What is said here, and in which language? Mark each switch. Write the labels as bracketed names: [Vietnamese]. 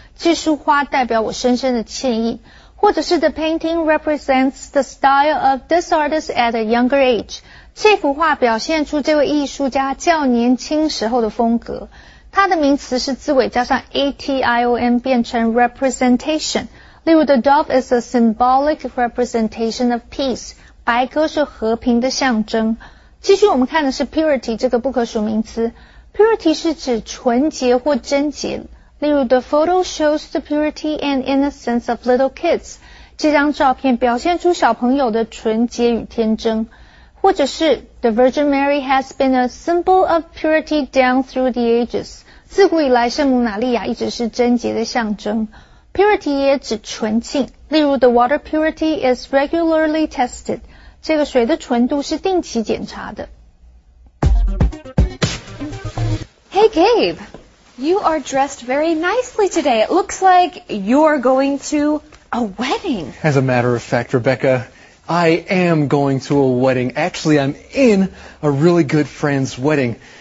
[Chinese] 这束花代表我深深的歉意。或者是 [English] the painting represents the style of this artist at a younger age. [Chinese] 这幅画表现出这位艺术家较年轻时候的风格。它的名词是字尾加上 ation 变成 representation。 [English] 例如 the dove is a symbolic representation of peace, [Chinese] 白鸽是和平的象征。继续我们看的是 purity 这个不可数名词。purity 是指纯洁或贞洁。 [English] 例如 the photo shows the purity and innocence of little kids, [Chinese] 这张照片表现出小朋友的纯洁与天真。或者是 [English] the Virgin Mary has been a symbol of purity down through the ages, [Chinese] 自古以来圣母玛利亚一直是贞洁的象征。 [English] Purity [Chinese] 也指纯净，例如 [English] the water purity is regularly tested. [Chinese] 这个水的纯度是定期检查的。 [English] Hey Gabe, you are dressed very nicely today. It looks like you're going to a wedding. As a matter of fact, Rebecca, I am going to a wedding. Actually, I'm in a really good friend's wedding.